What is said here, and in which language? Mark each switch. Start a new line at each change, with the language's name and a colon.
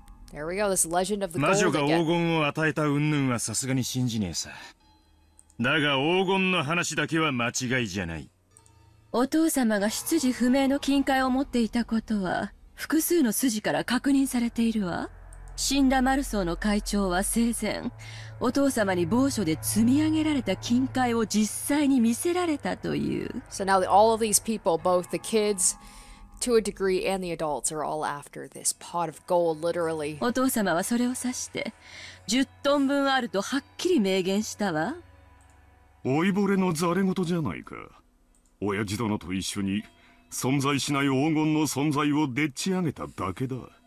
English: There we go, this legend of the gold again.
Japanese: お父様が出自不明の金塊を持っていたことは複数の筋から確認されているわ。
English: So now all of these people, both the kids to a degree and the adults, are all after this pot of gold, literally.
Japanese: お父様はそれを指して10トン分あると、はっきり明言したわ。老いぼれのざれ言じゃないか。親父殿と一緒に存在しない黄金の存在をでっち上げただけだ。